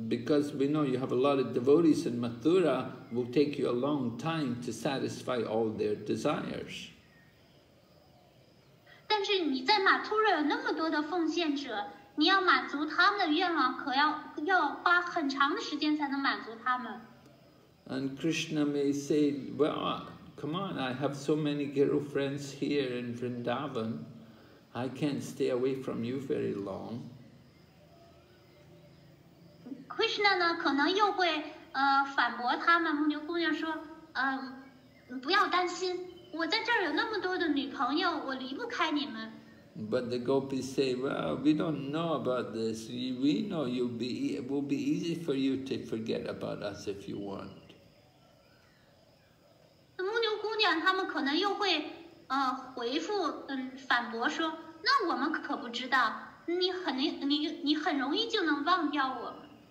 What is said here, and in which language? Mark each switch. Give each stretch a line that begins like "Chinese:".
English: because we know you have a lot of devotees in Mathura, will take you a long time to satisfy all their desires.
Chinese: 但是你在马图勒有那么多的奉献者，你要满足他们的愿望，可要要花很长的时间才能满足他们。
English: And Krishna may say, well, come on, I have so many girlfriends here in Vrindavan, I can't stay away from you very long.
Chinese: Krishna 呢可能又会反驳他们，牧牛姑娘说，不要担心，我在这儿有那么多的女朋友，我离不开你们。
English: But the gopis say, well, we don't know about this, we know you'll be, it will be easy for you to forget about us if you want.
Chinese: 牧牛姑娘他们可能又会回复反驳说，那我们可不知道，你很容易就能忘掉我们。